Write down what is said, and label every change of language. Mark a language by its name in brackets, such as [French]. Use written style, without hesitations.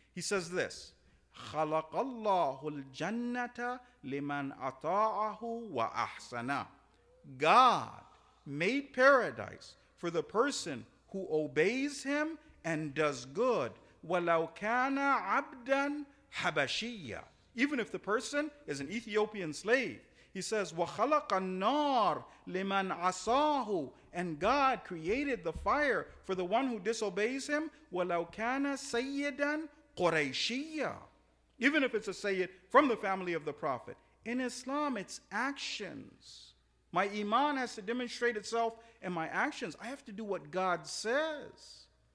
[English] He says this, [Arabic] خَلَقَ الْجَنَّةَ لِمَنْ أَطَاعَهُ وَأَحْسَنَهُ. [English] God made paradise for the person who obeys him and does good. [Arabic] وَلَوْ كَانَ عَبْدًا حَبَشِيًّا. [English] Even if the person is an Ethiopian slave. He says, [Arabic] وَخَلَقَ النَّارِ لِمَنْ عَصَاهُ. [English] And God created the fire for the one who disobeys him. [Arabic] وَلَوْ كَانَ سَيِّدًا قُرَيْشِيًّا. [English] Even if it's a Sayyid from the family of the Prophet. In Islam, it's actions. My iman has to demonstrate itself in my actions. I have to do what God says.